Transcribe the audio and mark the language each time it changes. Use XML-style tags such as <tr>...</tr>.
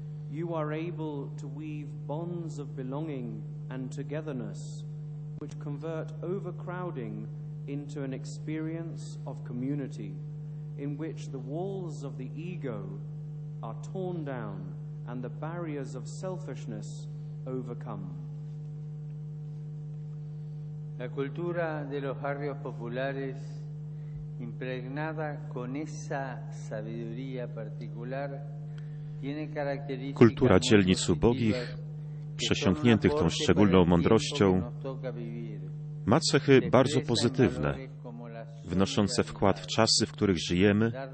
<en>You are able to weave bonds of belonging and togetherness, which convert overcrowding into an experience of community, in which the walls of the ego are torn down and the barriers of selfishness overcome.</en> <es>La cultura de los barrios populares, impregnada con esa sabiduría particular, tiene características.</es> <pl>Kultura dzielnic ubogich, przesiąkniętych tą szczególną mądrością, ma cechy bardzo pozytywne, wnoszące wkład w czasy, w których żyjemy.</pl>